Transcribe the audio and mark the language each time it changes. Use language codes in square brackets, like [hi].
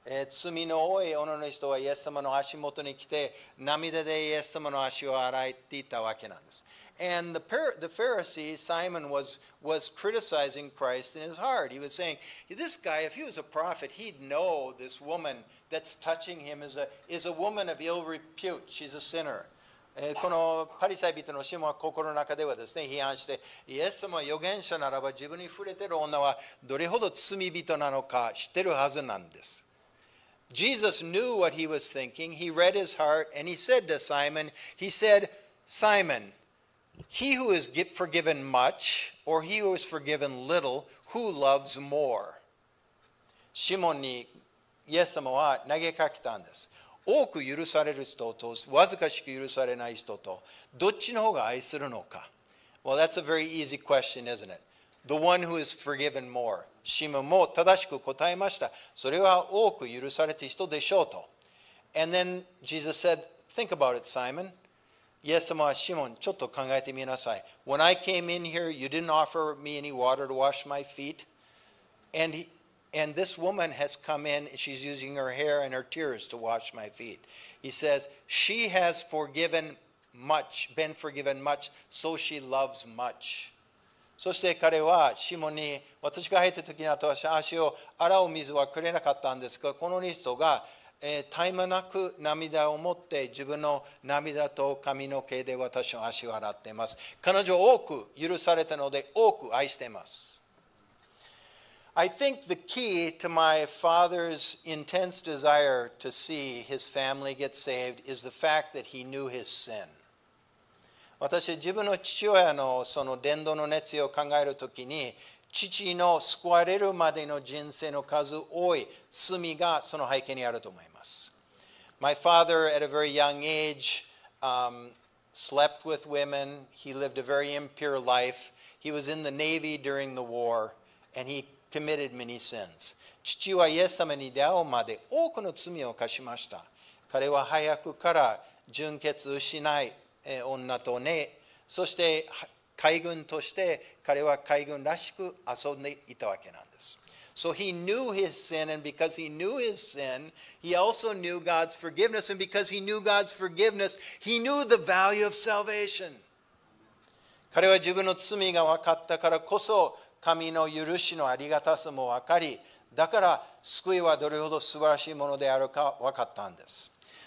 [ja] 罪の多い女の人はイエス様の足元に来て涙でイエス様の足を洗っていたわけなんです。 [en] And the Pharisee, Simon, was criticizing Christ in his heart. He was saying, this guy, if he was a prophet, he'd know this woman that's touching him is a woman of ill repute. She's a sinner. [ja] このパリサイ人のシモは心の中ではですね、批判して、イエス様は預言者ならば自分に触れている女はどれほど罪人なのか知ってるはずなんです。 [en] Jesus knew what he was thinking. He read his heart and he said to Simon, he said, Simon, he who is forgiven much or he who is forgiven little, who loves more? [ja] シモにイエス様は投げかけたんです。多く許される人とわずかしく許されない人とどっちの方が愛するのか。 [en] Well, that's a very easy question, isn't it? The one who is forgiven more. [ja] シモンも正しく答えました。それは多く許されている人でしょうと。 [en] And then Jesus said, think about it, Simon. [ja] イエス様はシモン、ちょっと考えてみなさい。 [en] When I came in here, you didn't offer me any water to wash my feet. And this woman has come in, and she's using her hair and her tears to wash my feet. He says, she has forgiven much, been forgiven much, so she loves much. [ja] そして彼はシモンに、私が入った時に後は足を洗う水はくれなかったんですが、この人が絶え間なく涙を持って自分の涙と髪の毛で私の足を洗っています。彼女多く許されたので多く愛しています。 [en] I think the key to my father's intense desire to see his family get saved is the fact that he knew his sin. [ja] 私は自分の父親のその伝道の熱意を考えるときに、父の救われるまでの人生の数多い罪がその背景にあると思います。 [en] My father, at a very young age, slept with women. He lived a very impure life. He was in the Navy during the war, and he committed many sins. [ja] 父はイエス様に出会うまで多くの罪を犯しました。彼は早くから純潔失い女とね、そして海軍として彼は海軍らしく遊んでいたわけなんです。 [en] So he knew his sin, and because he knew his sin, he also knew God's forgiveness, and because he knew God's forgiveness, he knew the value of salvation. [ja] 彼は自分の罪が分かったからこそ神の許しのありがたさも分かり、だから救いはどれほど素晴らしいものであるか分かったんです。